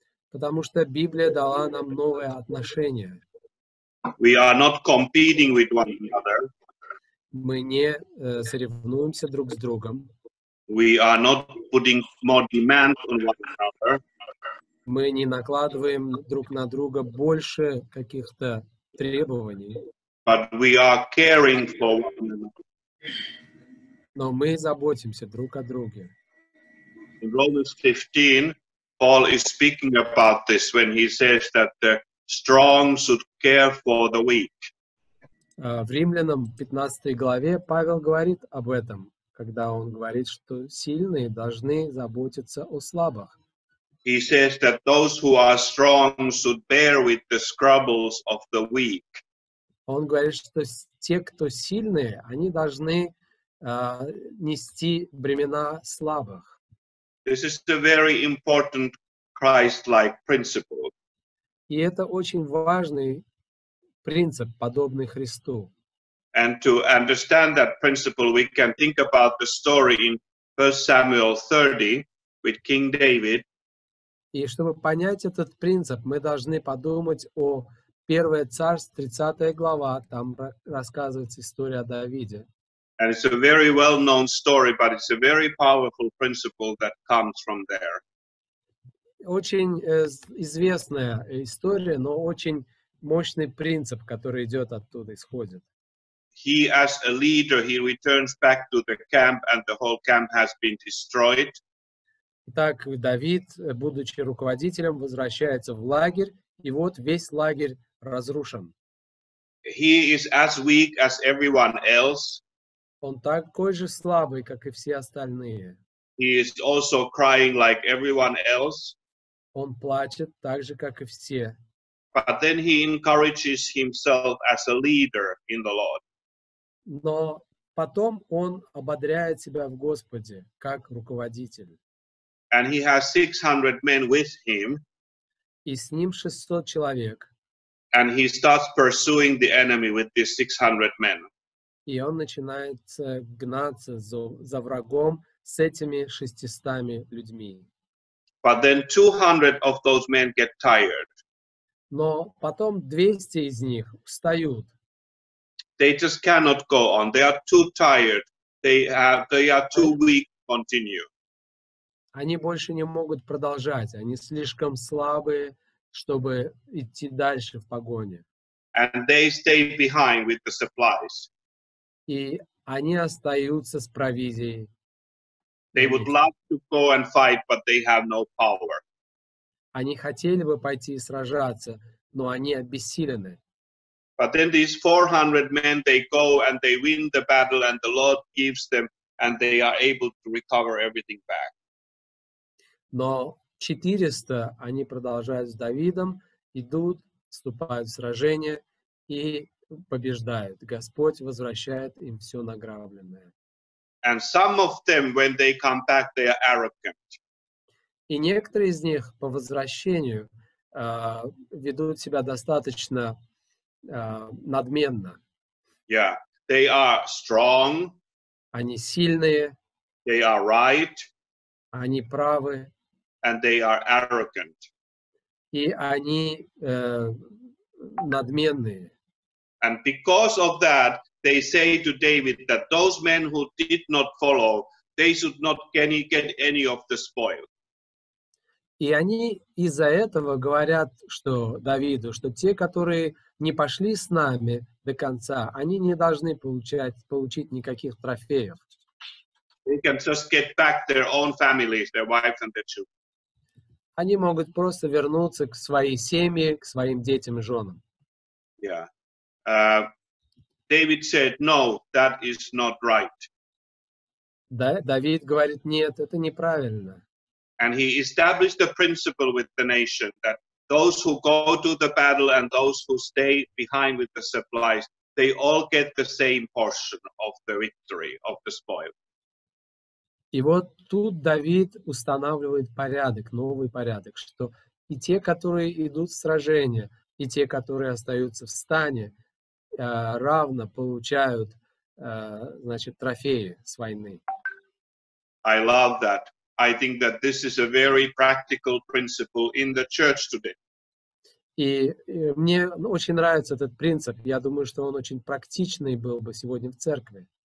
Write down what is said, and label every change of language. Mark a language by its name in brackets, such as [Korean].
[Russian] Потому что Библия дала нам новое отношение. [English] We are not competing with one another. [Russian] Мы не соревнуемся друг с другом. [English] We are not putting more demands on one another. [Russian] Мы не накладываем друг на друга больше каких-то требований. [English] But we are caring for one another. [Russian] Но мы заботимся друг о друге. [English] In Romans 15, Paul is speaking about this when he says that the strong should care for the weak. [Russian] В Римлянам 15 главе Павел говорит об этом, когда он говорит, что сильные должны заботиться о слабых. [English] He says that those who are strong should bear with the troubles of the weak. [Russian] Он говорит, что те, кто сильные, они должны нести бремена слабых. [English] This is a very important Christ-like principle. [Russian] И это очень важный принцип, подобный Христу. [English] And to understand that principle, we can think about the story in 1 Samuel 30 with King David. [Russian] И чтобы понять этот принцип, мы должны подумать о 1 Царств, 30 глава. Там рассказывается история о Давиде. [English] And it's a very well-known story, but it's a very powerful principle that comes from there. [Russian] Очень известная история, но очень мощный принцип, который идет оттуда, исходит. [English] He, as a leader, he returns back to the camp, and the whole camp has been destroyed. [Russian] Итак, Давид, будучи руководителем, возвращается в лагерь, и вот весь лагерь разрушен. [English] He is as weak as everyone else. [Russian] Он такой же слабый, как и все остальные. [English] He is also crying like everyone else. [Russian] Он плачет так же, как и все. [English] But then he encourages himself as a leader in the Lord. [Russian] Но потом он ободряет себя в Господе, как руководитель. [English] and he has 600 men with him. [Russian] И с ним 600 человек. [English] And he starts pursuing the enemy with these 600 men. [Russian] И он начинает гнаться за врагом с этими 600 людьми. [English] But then 200 of those men get tired. [Russian] Но потом 200 из них устают. [English] They just cannot go on. They are too tired. They are too weak to continue. [Russian] Они больше не могут продолжать. Они слишком слабые, чтобы идти дальше в погоне. [English] And they stay behind with the supplies. [Russian] И они остаются с провизией. [English] They would love to go and fight, but they have no power. [Russian] Они хотели бы пойти и сражаться, но они обессилены. [English] But then these 400 men, they go and they win the battle and the Lord gives them and they are able to recover everything back. [Russian] Но 400, они продолжают с Давидом, идут, вступают в сражение и побеждают. Господь возвращает им все награбленное. [English] And some of them, when they come back, they are arrogant. [Russian] И некоторые из них по возвращению ведут себя достаточно надменно. [English] Yeah, they are strong. [Russian] Они сильные. [English] They are right. [Russian] Они правы. [English] And they are arrogant. [Russian] И они надменные. [English] And because of that, they say to David that those men who did not follow, they should not get any of the spoil. [Russian] И они из-за этого говорят, что Давиду, что те, которые не пошли с нами до конца, они не должны получить никаких трофеев. [English] They can just get back their own families, their wives and their children. [Russian] Они могут просто вернуться к своей семье, к своим детям и женам. [English] Yeah. David said, no, that is not right. [Russian] Да, Давид говорит, нет, это неправильно. [English] And he established the principle with the nation that those who go to the battle and those who stay behind with the supplies, they all get the same portion of the victory, of the spoil. [Russian] И вот тут Давид устанавливает порядок, новый порядок, что и те, которые идут в сражение, и те, которые остаются в стане, равно получают, значит, трофеи с войны. [English] I love that. I think that this is a very practical principle in the church today. [Russian] И мне очень нравится этот принцип. Я думаю, что он очень практичный был бы сегодня в церкви.